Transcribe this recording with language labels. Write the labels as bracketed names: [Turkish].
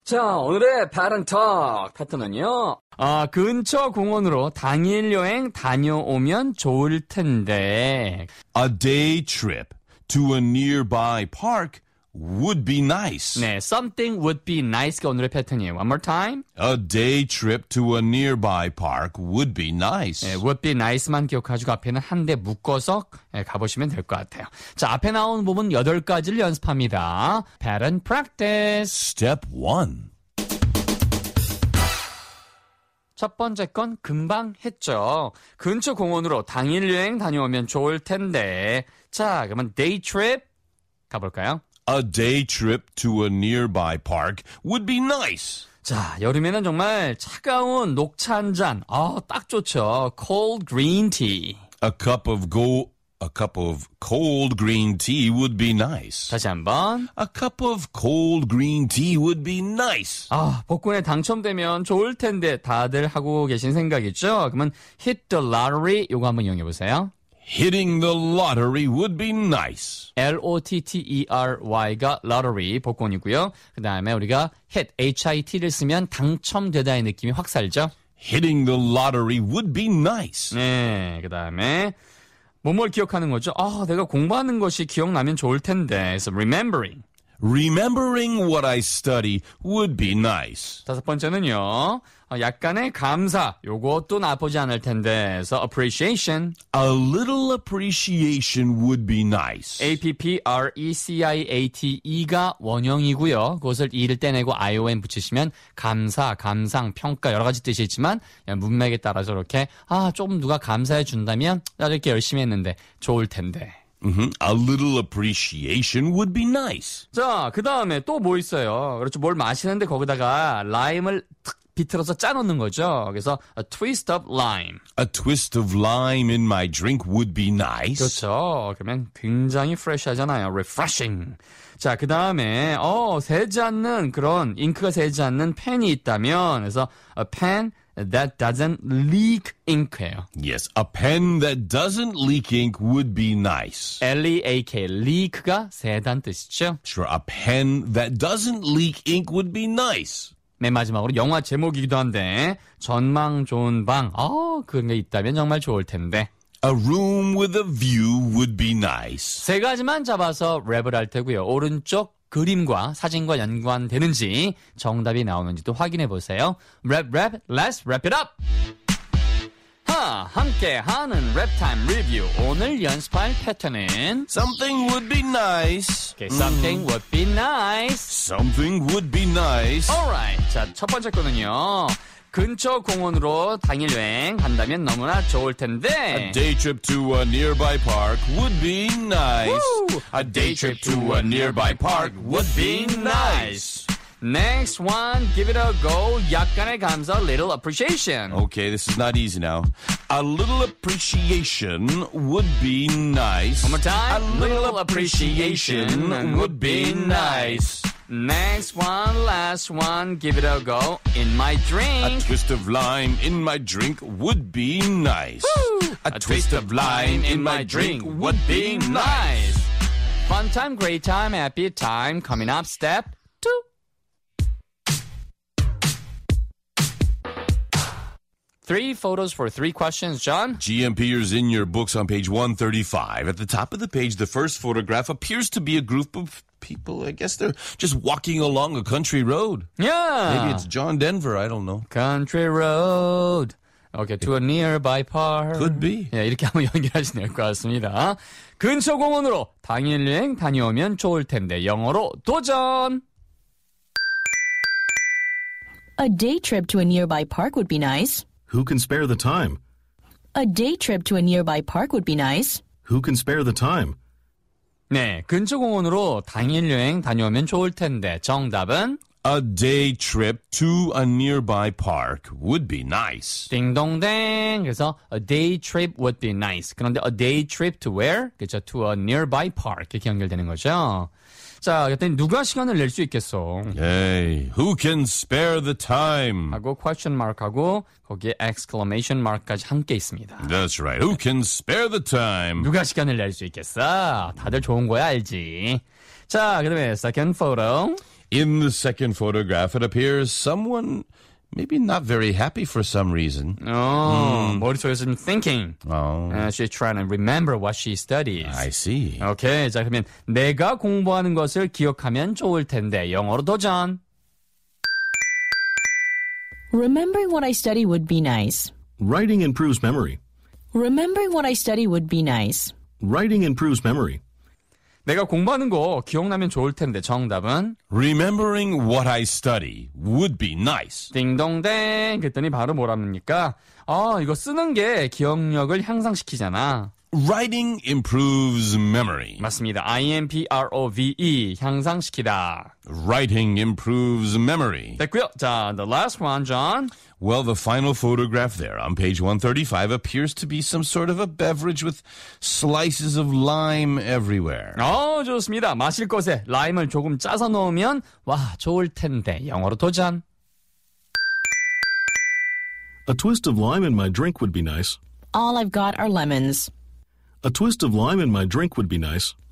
[Korean] 자, 오늘의 바른톡 파트너는요. 근처 공원으로 당일 여행 다녀오면 좋을 텐데. [English] A day trip to a nearby park would be nice. [Korean] 네, [English] something would be nice [Korean] 가 오늘의 패턴이에요. [English] One more time. A day trip to a nearby park would be nice. [Korean] 네, [English] would be nice [Korean] 만 기억하시고 앞에는 한 대 묶어서 가보시면 될 것 같아요. 자, 앞에 나온 부분 8가지를 연습합니다. [English] Pattern practice. Step 1. [Korean] 첫 번째 건 금방 했죠. 근처 공원으로 당일 여행 다녀오면 좋을 텐데. 자, 그러면 day trip 가볼까요? [English] A day trip to a nearby park would be nice. [Korean] 자, 여름에는 정말 차가운 녹차 한 잔. 아, 딱 좋죠. [English] Cold green tea. A cup of cold green tea would be nice. [Korean] 다시 한번. [English] A cup of cold green tea would be nice. [Korean] 아, 복권에 당첨되면 좋을 텐데 다들 하고 계신 생각이죠? 그러면 [English] hit the lottery [Korean] 요거 한번 이용해 보세요. [English] Hitting the lottery would be nice. [Korean] L-O-T-T-E-R-Y가 lottery, 복권이고요. 그 다음에 우리가 hit, H-I-T를 쓰면 당첨되다의 느낌이 확 살죠. [English] Hitting the lottery would be nice. [Korean] 네, 그 다음에 뭐뭘 기억하는 거죠? 아, 내가 공부하는 것이 기억나면 좋을 텐데. [English] So remembering. Remembering what I study would be nice. [Korean] 다섯 번째는요. 약간의 감사. 요것도 나쁘지 않을 텐데. [English] So appreciation. A little appreciation would be nice. [Korean] appreciate가 원형이고요. 그것을 이를 떼내고 ion 붙이시면 감사, 감상, 평가 여러 가지 뜻이 있지만 문맥에 따라서 이렇게 아, 조금 누가 감사해 준다면 나 이렇게 열심히 했는데 좋을 텐데. [English] A little appreciation would be nice. [Korean] 자, 그 다음에 또 뭐 있어요? 그렇죠. 뭘 마시는데 거기다가 라임을 탁 비틀어서 짜놓는 거죠. [English] 그래서 a twist of lime. A twist of lime in my drink would be nice. [Korean] 그렇죠. 그러면 굉장히 fresh하잖아요. [English] Refreshing. [Korean] 자, 그 다음에 새지 않는 그런 잉크가 새지 않는 펜이 있다면 그래서 [English] a pen that doesn't leak ink [Korean] 예요. [English] Yes, a pen that doesn't leak ink would be nice. [Korean] L-E-A-K, leak가 새단 뜻이죠. [English] Sure, a pen that doesn't leak ink would be nice. [Korean] 맨 마지막으로 영화 제목이기도 한데 전망 좋은 방, 그런 게 있다면 정말 좋을 텐데. [English] A room with a view would be nice. [Korean] 세 가지만 잡아서 랩을 할 테고요. 오른쪽 그림과 사진과 연관되는지 정답이 나오는지도 확인해 보세요. 랩, 랩, [English] let's wrap it up! [Korean] 함께하는 랩타임 리뷰. 오늘 연습할 패턴은 [English] Something would be nice. Okay, something would be nice. Something would be nice. [Korean] Alright, 자, 첫 번째 거는요. 근처 공원으로 당일 여행 한다면 너무나 좋을 텐데. [English] A day trip to a nearby park would be nice. Woo! A day trip to a nearby park would be nice. Next one, give it a go. [Korean] 약간의 감사, [English] little appreciation. Okay, this is not easy now. A little appreciation would be nice. One more time. A little appreciation would be nice. Next one, last one, give it a go. In my drink. A twist of lime in my drink would be nice. Woo! A twist of lime in my drink would be nice. Fun time, great time, happy time. Coming up, step. Three photos for three questions, John. GMP is in your books on page 135. At the top of the page, the first photograph appears to be a group of people. I guess they're just walking along a country road. Yeah. Maybe it's John Denver. I don't know. Country road. Okay, to a nearby park. Could be. [Korean] 예, 이렇게 한번 연결하시면 될 것 같습니다. 근처 공원으로 당일 여행 다녀오면 좋을 텐데 영어로 도전. [English] A day trip to a nearby park would be nice. Who can spare the time? A day trip to a nearby park would be nice. Who can spare the time? [Korean] 네, 근처 공원으로 당일 여행 다녀오면 좋을 텐데 정답은 [English] A day trip to a nearby park would be nice. [Korean] 딩동댕. 그래서 [English] a day trip would be nice. [Korean] 그런데 [English] a day trip to where? 그렇죠, to a nearby park. [Korean] 이렇게 연결되는 거죠. 자, 그랬더니 누가 시간을 낼 수 있겠어? [English] Hey, who can spare the time? [Korean] 하고 question mark 하고 거기에 exclamation mark까지 함께 있습니다. [English] That's right. Who can spare the time? [Korean] 누가 시간을 낼 수 있겠어? 다들 좋은 거야, 알지? 자, 그다음에 [English] second photo. In the second photograph, it appears someone maybe not very happy for some reason. Oh, mm. [Korean] 머릿속에서 thinking. [English] Oh. She's trying to remember what she studies. I see. Okay, [Korean] 자, 그러면 내가 공부하는 것을 기억하면 좋을 텐데 영어로 도전. [English] Remembering what I study would be nice. Writing improves memory. Remembering what I study would be nice. Writing improves memory. [Korean] 내가 공부하는 거 기억나면 좋을 텐데 정답은 [English] Remembering what I study would be nice. [Korean] 딩동댕 그랬더니 바로 뭐랍니까? 아, 이거 쓰는 게 기억력을 향상시키잖아. [English] Writing improves memory. [Korean] 맞습니다. I-M-P-R-O-V-E 향상시키다. [English] Writing improves memory. [Korean] 됐고요. 자, [English] the last one, John. Well, the final photograph there on page 135 appears to be some sort of a beverage with slices of lime everywhere. [Korean] 오, 좋습니다. 마실 것에 라임을 조금 짜서 넣으면 와, 좋을 텐데. 영어로 도전. [English] A twist of lime in my drink would be nice. All I've got are lemons. A twist of lime in my drink would be nice.